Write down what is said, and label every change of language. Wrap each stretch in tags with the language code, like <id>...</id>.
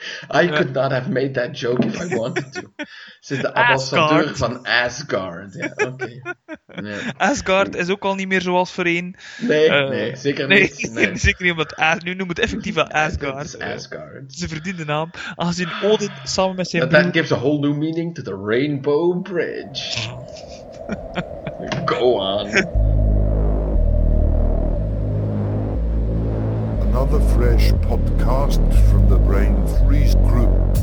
<en>I could not have made that joke if I wanted to. Since I was Asgard.</en> <nl>Van Asgard. Ja, okay. Ja. Asgard is ook al niet meer zoals voorheen. Nee, nee, zeker niet. Nee. Zeker niet, omdat nu noemt het effectief Asgard. Asgard. Ze verdient de naam. Aangezien Odin samen met zijn broer...</nl> <en>That gives a whole new meaning to the Rainbow Bridge. Go on. Another fresh podcast from the Brain Freeze Group.</en>